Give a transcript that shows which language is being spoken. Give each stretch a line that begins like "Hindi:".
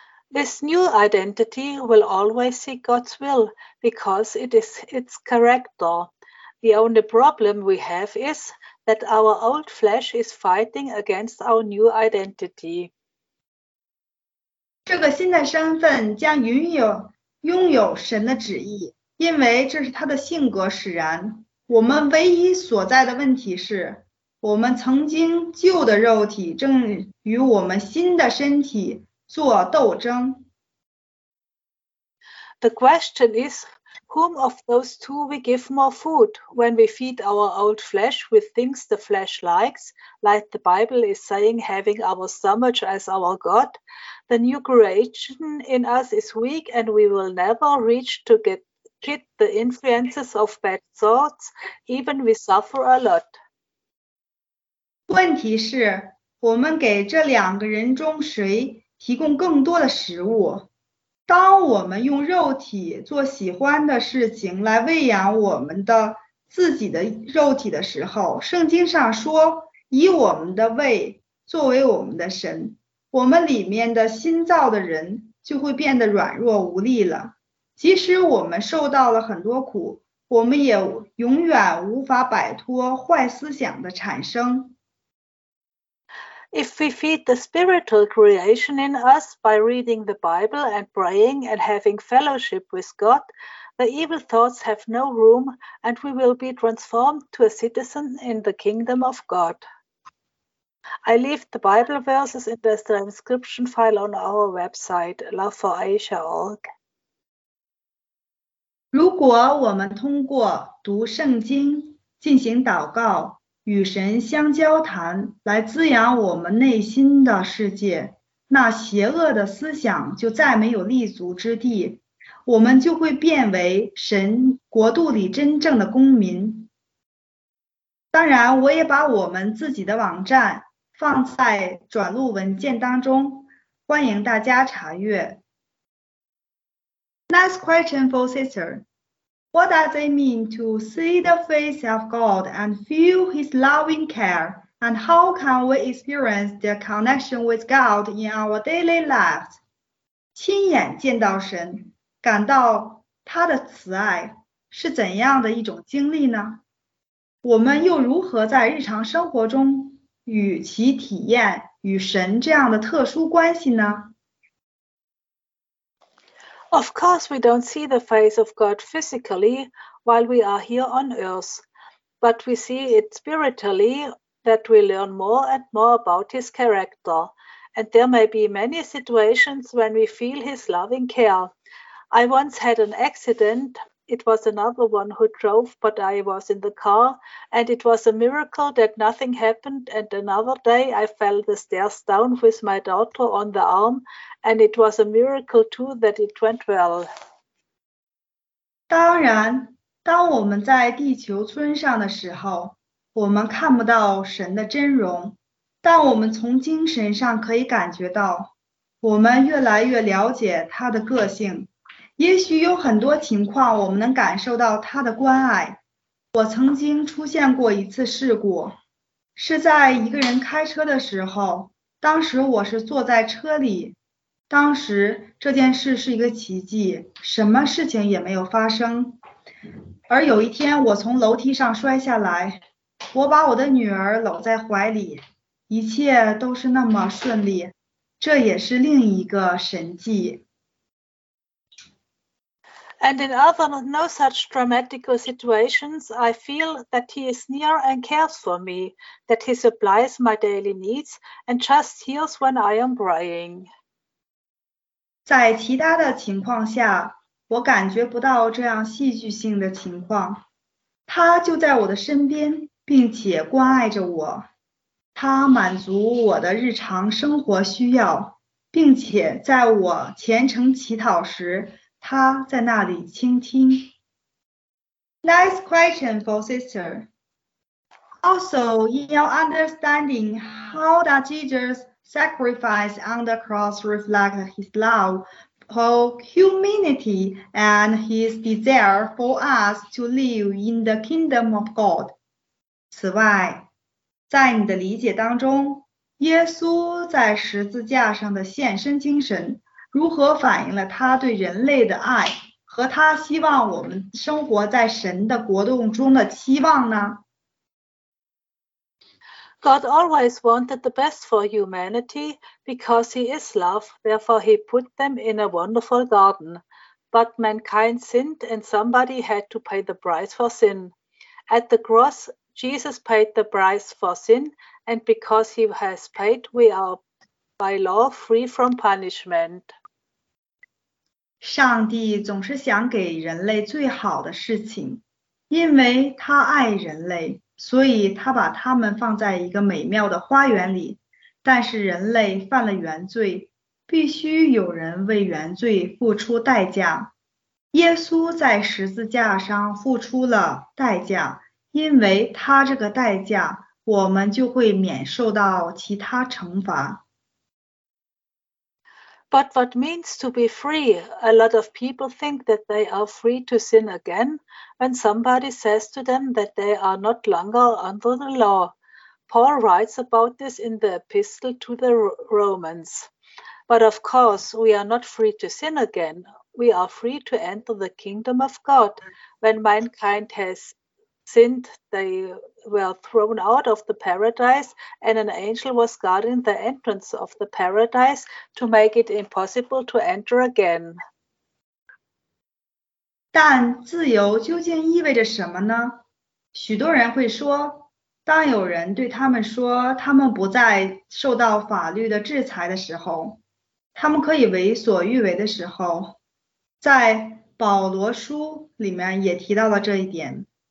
English: This new identity will always seek God's will because it is its character. The only problem we have is that our old flesh is fighting against our new identity.
Chinese: 这个新的身份将拥有神的旨意，因为这是他的性格使然。我们唯一所在的问题是，我们曾经旧的肉体正与我们新的身体做斗争。
English: The question is, whom of those two we give more food when we feed our old flesh with things the flesh likes, like the Bible is saying, having our stomach as our God? The new creation in us is weak and we will never reach to get the influences of bad thoughts, even we suffer a lot.
Chinese: 问题是，我们给这两个人中谁提供更多的食物？当我们用肉体做喜欢的事情来喂养我们的自己的肉体的时候，圣经上说，以我们的胃作为我们的神，我们里面的新造的人就会变得软弱无力了。即使我们受到了很多苦，我们也永远无法摆脱坏思想的产生。
English: If we feed the spiritual creation in us by reading the Bible and praying and having fellowship with God, the evil thoughts have no room and we will be transformed to a citizen in the kingdom of God. I leave the Bible verses in the transcription file on our website, loveforasia.org.
Chinese: 如果我们通过读圣经进行祷告，与神相交谈，来滋养我们内心的世界，那邪恶的思想就再没有立足之地，我们就会变为神国度里真正的公民。当然，我也把我们自己的网站放在转录文件当中，欢迎大家查阅。
English: Next question for sister. What does it mean to see the face of God and feel His loving care? And how can we experience the connection with God in our daily lives?
Chinese: 亲眼见到神，感到他的慈爱，是怎样的一种经历呢？我们又如何在日常生活中与其体验与神这样的特殊关系呢？
English: Of course, we don't see the face of God physically while we are here on earth, but we see it spiritually that we learn more and more about His character. And there may be many situations when we feel His loving care. I once had an accident. It was another one who drove, but I was in the car, and it was a miracle that nothing happened. And another day I fell the stairs down with my daughter on the arm. And it was a miracle too that it went well.
Chinese: 当然，当我们在地球村上的时候，我们看不到神的真容，但我们从精神上可以感觉到，我们越来越了解他的个性。也许有很多情况我们能感受到他的关爱。我曾经出现过一次事故，是在一个人开车的时候，当时我是坐在车里。当时这件事是一个奇迹，什么事情也没有发生。而有一天我从楼梯上摔下来，我把我的女儿搂在怀里，一切都是那么顺利，这也是另一个神迹。
English: And in other no such dramatic situations, I feel that He is near and cares for me, that He supplies my daily needs and just hears when I am praying.
Chinese: 在其他的情况下，我感觉不到这样戏剧性的情况。他就在我的身边，并且关爱着我。他满足我的日常生活需要，并且在我虔诚祈祷时，他在那里倾听。
English: Next question for sister. Also, in your understanding, how does Jesus sacrifice on the cross reflect his love for humanity and his desire for us to live in the kingdom of God.
Chinese: 此外，在你的理解当中，耶稣在十字架上的献身精神如何反映了他对人类的爱和他希望我们生活在神的国度中的期望呢？
English: God always wanted the best for humanity because he is love, therefore he put them in a wonderful garden. But mankind sinned and somebody had to pay the price for sin. At the cross, Jesus paid the price for sin, and because he has paid, we are by law free from punishment.
Chinese: 上帝总是想给人类最好的事情，因为他爱人类。所以他把他们放在一个美妙的花园里，但是人类犯了原罪，必须有人为原罪付出代价。耶稣在十字架上付出了代价，因为他这个代价，我们就会免受到其他惩罚。
English: But what means to be free? A lot of people think that they are free to sin again when somebody says to them that they are not longer under the law. Paul writes about this in the Epistle to the Romans. But of course, we are not free to sin again. We are free to enter the kingdom of God. When mankind has sinned, they were thrown out of the paradise, and an angel was guarding the entrance of the paradise to make it impossible to enter again.
Chinese: 但自由究竟意味着什么呢？许多人会说，当有人对他们说他们不再受到法律的制裁的时候，他们可以为所欲为的时候，在保罗书里面也提到了这一点。